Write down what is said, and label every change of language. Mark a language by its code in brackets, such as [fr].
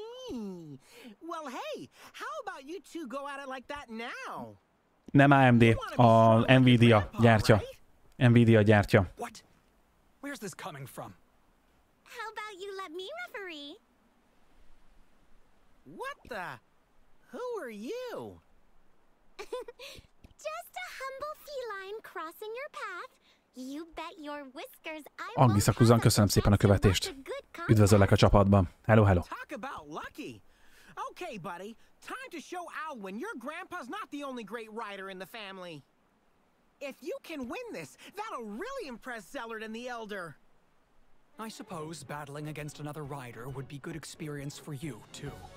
[en] Well, hey, how about you two go at it like that now? [hu] Nem AMD, a Nvidia gyártja. Nvidia gyártja. [en] What? Where's this coming from? How about you let me referee? What the? Who are you? Just a humble feline crossing your path. You bet your whiskers. [hu] Angisa Kuzan, köszönöm szépen a követést. Üdvözöllek a csapatban. [en] Hello, hello. Talk about lucky. Okay, buddy. Time to show Alwyn your grandpa's not the only great rider in the family. If you can win this, that'll really impress Zellard and the Elder. I suppose battling against another rider would be good experience for you too.